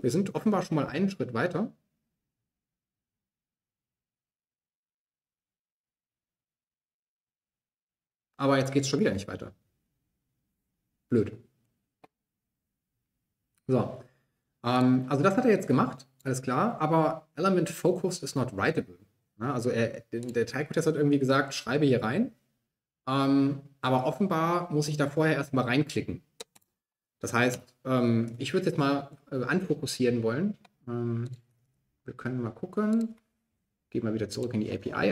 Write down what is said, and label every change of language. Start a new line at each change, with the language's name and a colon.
German: Wir sind offenbar schon mal einen Schritt weiter. Aber jetzt geht es schon wieder nicht weiter. Blöd. So. Also das hat er jetzt gemacht. Alles klar.
English: Aber Element Focus is not writable.
German: Ja, also der Typo-Test hat irgendwie gesagt, schreibe hier rein. Aber offenbar muss ich da vorher erstmal reinklicken. Das heißt, ich würde jetzt mal anfokussieren wollen. Wir können mal gucken. Gehe mal wieder zurück in die API.